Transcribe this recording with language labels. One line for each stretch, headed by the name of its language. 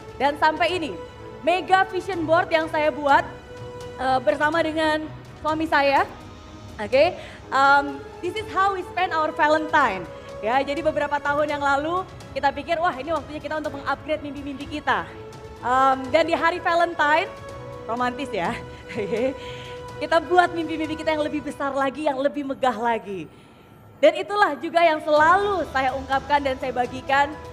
Indonesian: Dan sampai ini, mega vision board yang saya buat bersama dengan suami saya.
English: Okay? This is how we spend our Valentine.
Indonesian: Ya, jadi beberapa tahun yang lalu, kita pikir, wah ini waktunya kita untuk mengupgrade mimpi-mimpi kita. Dan di hari Valentine, romantis ya, kita buat mimpi-mimpi kita yang lebih besar lagi, yang lebih megah lagi. Dan itulah juga yang selalu saya ungkapkan dan saya bagikan.